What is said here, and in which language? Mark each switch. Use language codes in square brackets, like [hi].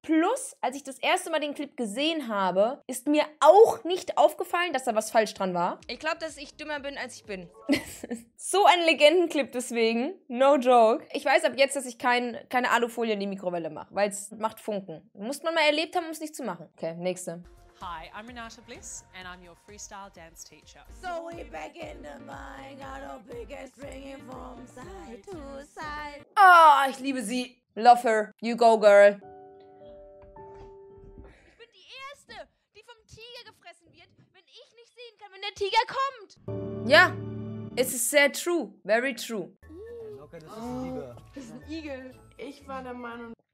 [de] Plus, als ich das erste Mal den Clip gesehen habe, ist mir auch nicht aufgefallen, dass da was falsch dran war. Ich glaube, dass ich dümmer bin, als ich bin. So ein Legendenclip deswegen. [en] No joke. [de] Ich weiß ab jetzt, dass ich keine Alufolie in die Mikrowelle mache, weil es macht Funken. Muss man mal erlebt haben, um es nicht zu machen. Okay, nächste. [en] Hi, I'm Renata Bliss, and I'm your freestyle dance teacher. So we back in the mic, got a biggest ringing from side to side. [de] Oh, ich liebe sie. [en] Love her. You go, girl. [de] Ich bin die Erste, die vom Tiger gefressen wird, wenn ich nicht sehen kann, wenn der Tiger kommt. Ja, es ist sehr [en] true. Very true. [de] Okay, das ist ein Igel. Das ist ein Igel. Ich war der Meinung...